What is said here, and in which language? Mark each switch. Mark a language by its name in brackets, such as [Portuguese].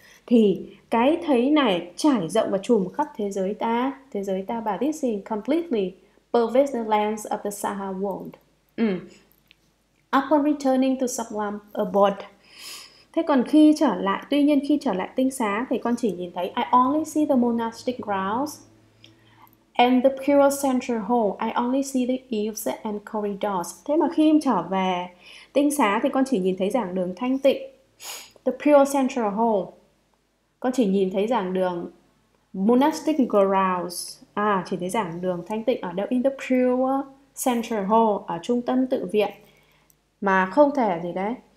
[Vietnamese] thì cái thấy này trải rộng và trùm khắp thế giới ta. Thế giới ta bà, [English] this scene completely pervades the lands of the Saha world. Upon returning to Saklam abode, [Vietnamese] thế còn khi trở lại, tuy nhiên khi trở lại tinh xá thì con chỉ nhìn thấy [English] I only see the monastic grounds and the pure central hall. I only see the eaves and corridors. [Vietnamese] Thế mà khi trở về tinh xá thì con chỉ nhìn thấy giảng đường thanh tịnh, [English] the pure central hall. [Vietnamese] Con chỉ nhìn thấy giảng đường [English] monastic grounds. [Vietnamese] Chỉ thấy giảng đường thanh tịnh ở đâu? [English] In the pure central hall, [Vietnamese] ở trung tâm tự viện, mà không thể gì đấy.